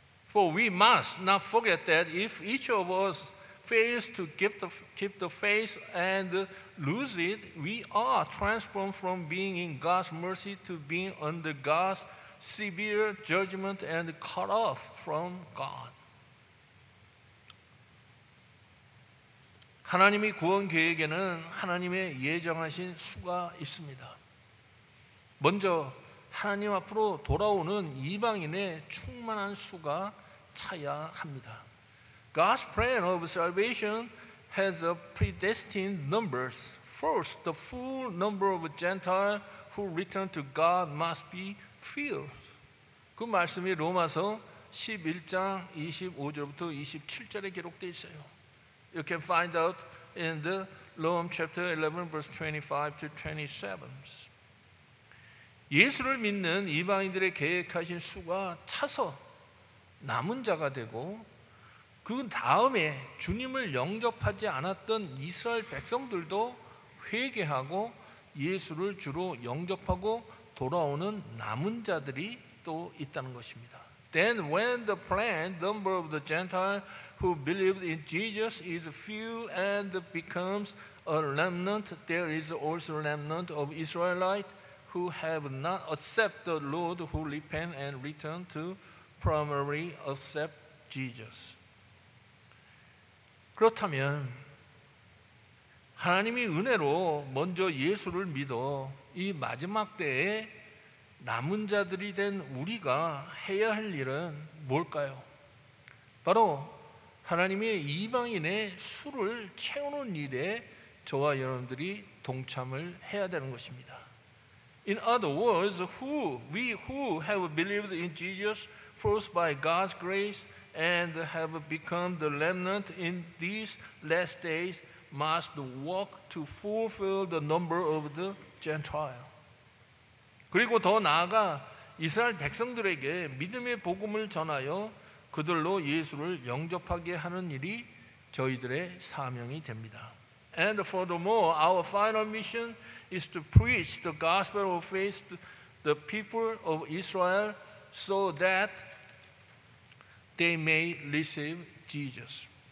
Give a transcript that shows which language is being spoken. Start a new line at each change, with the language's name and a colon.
English: For we must not forget that if each of us fails to keep the faith and lose it, we are transformed from being in God's mercy to being under God's severe judgment and cut off from God.
Korean: 하나님이 구원 계획에는 하나님의 예정하신 수가 있습니다. 먼저 하나님 앞으로 돌아오는 이방인의 충만한 수가 차야 합니다.
English: God's plan of salvation has a predestined numbers. First, the full number of Gentiles who return to God must be filled.
Korean: 그 말씀이 로마서 11장 25절부터 27절에 기록되어 있어요.
English: You can find out in the Romans chapter 11 verse 25 to 27.
Korean: 예수를 믿는 이방인들의 계획하신 수가 차서 남은 자가 되고 그 다음에 주님을 영접하지 않았던 이스라엘 백성들도 회개하고 예수를 주로 영접하고 돌아오는 남은 자들이 또 있다는 것입니다.
English: Then when the planned number of the Gentiles who believed in Jesus is filled and becomes a remnant, there is also a remnant of Israelites who have not accepted the Lord who repent and return to primarily accept Jesus.
Korean: 그렇다면 하나님이 은혜로 먼저 예수를 믿어 이 마지막 때에 남은 자들이 된 우리가 해야 할 일은 뭘까요? 바로 하나님의 이방인의 수를 채우는 일에 저와 여러분들이 동참을 해야 되는 것입니다.
English: In other words, we who have believed in Jesus first by God's grace and have become the remnant in these last days must work to fulfill the number of the Gentile.
Korean: 그리고 더 나아가 이스라엘 백성들에게 믿음의 복음을 전하여 그들로 예수를 영접하게 하는 일이 저희들의 사명이 됩니다.
English: And furthermore, our final mission is to preach the gospel of faith to the people of Israel so that they may receive Jesus.